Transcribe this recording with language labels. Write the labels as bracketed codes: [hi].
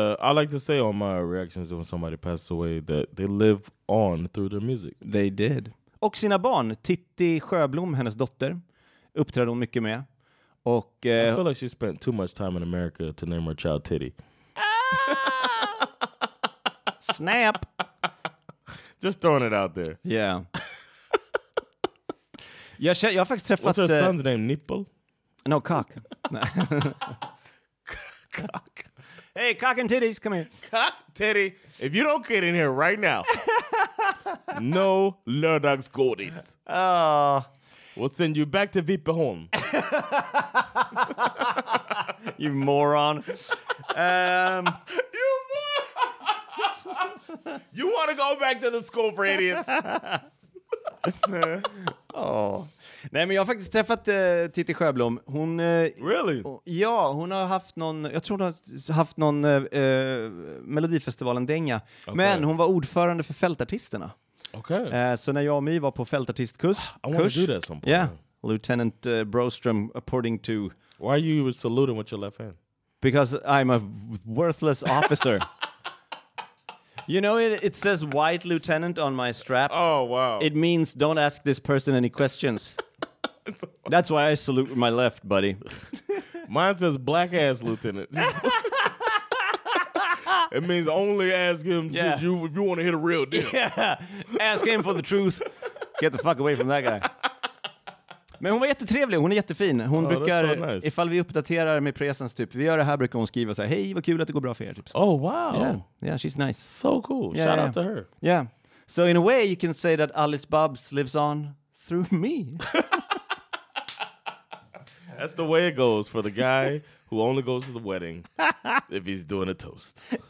[en] I like to say all my reactions when somebody passed away that they live on through their music. They did. [sv] Och sina barn, Titti Sjöblom, hennes dotter, uppträdde hon mycket med. Och, [en] I feel like she spent too much time in America to name her child Titti. Snap! Just throwing it out there. Yeah. [sv] Jag har faktiskt träffat... [en] What's her son's name, Nipple? No, Cock. Cock. Hey, Cock and Titties, come here. Cock, Titty, if you don't get in here right now... No [sv] lördags godis. [en] We'll send you back to Vipeholm. You moron. You moron. You want to go back to the school for idiots? Oh. [sv] Nej, men jag har faktiskt träffat Titti Sjöblom. Hon, [en] really? [sv] Ja, hon har haft någon, jag tror hon har haft någon Melodifestivalen dänga. Okay. Men hon var ordförande för Fältartisterna. [en] Okay. [sv] Så när jag och My var på fältartistkurs, [en] I want to do that some point. Yeah, Lieutenant Broström, according to... Why are you saluting with your left hand? Because I'm a worthless officer. You know, it says white lieutenant on my strap. Oh, wow. It means don't ask this person any questions. That's why I salute with my left, buddy. Mine says black ass lieutenant. It means only ask him if you want to hit a real deal. Yeah. Ask him for the truth. Get the fuck away from that guy. [sv] Men hon var jättetrevlig. Hon är jättefin. Hon brukar, [en] that's so nice. [sv] Ifall vi uppdaterar med presens typ. Vi gör det här, brukar hon skriva så här: hej, vad kul att det går bra för er. Typ. [en] Oh, wow. Yeah, she's nice. So cool. Yeah, shout out to her. Yeah. So in a way you can say that Alice Babs lives on through me. That's the way it goes for the guy who only goes to the wedding if he's doing a toast.